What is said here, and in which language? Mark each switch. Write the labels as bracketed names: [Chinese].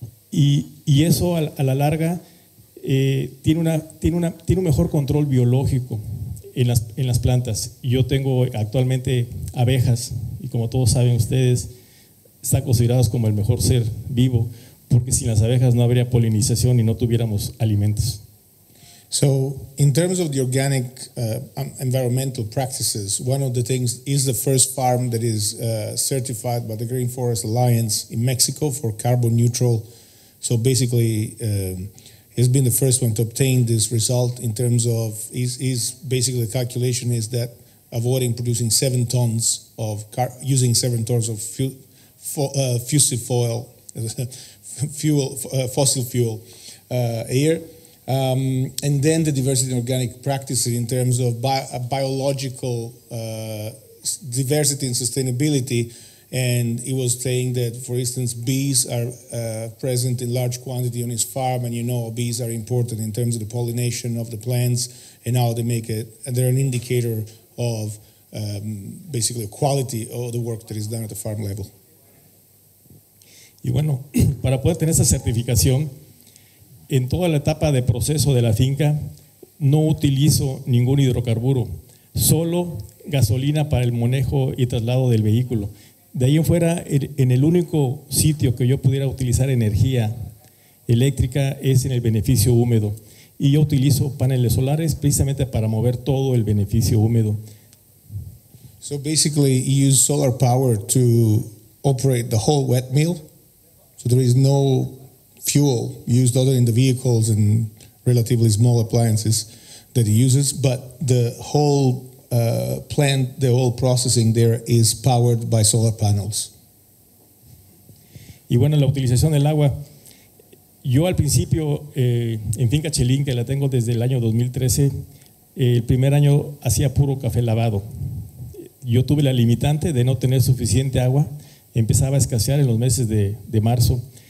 [Spanish] Y eso a la larga tiene un mejor control biológico en las plantas. Yo tengo actualmente abejas, y como todos saben ustedes, están considerados como el mejor ser vivo, porque sin las abejas no habría polinización y no tuviéramos alimentos. [English] So, in terms of the organic environmental practices, one of the things is the first farm that is certified by the Green Forest Alliance in Mexico for carbon neutral. So basically, he's been the first one to obtain this result in terms of, is basically the calculation is that avoiding producing 7 tons of, using 7 tons of fusil foil, fossil fuel a year. And then the diversity in organic practices in terms of biological diversity and sustainability. And he was saying that, for instance, bees are present in large quantity on his farm, and you know bees are important in terms of the pollination of the plants and how they make it. And they're an indicator of basically quality of the work that is done at the farm level. [Spanish] Y bueno, para poder tener esa certificación, en toda la etapa de proceso de la finca, no utilizo ningún hidrocarburo, solo gasolina para el manejo y traslado del vehículo. De ahí en fuera, en el único sitio que yo pudiera utilizar energía eléctrica es en el beneficio húmedo. Y yo utilizo paneles solares precisamente para mover todo el beneficio húmedo. [English] So basically, you use solar power to operate the whole wet mill. So there is no fuel used other than the vehicles and relatively small appliances that he uses, but the whole plant, the whole processing there is powered by solar panels. [Spanish] Y bueno, la utilización del agua. Yo al principio, en Finca Chelín, que la tengo desde el año 2013, el primer año hacía puro café lavado. Yo tuve la limitante de no tener suficiente agua. Empezaba a escasear en los meses de marzo.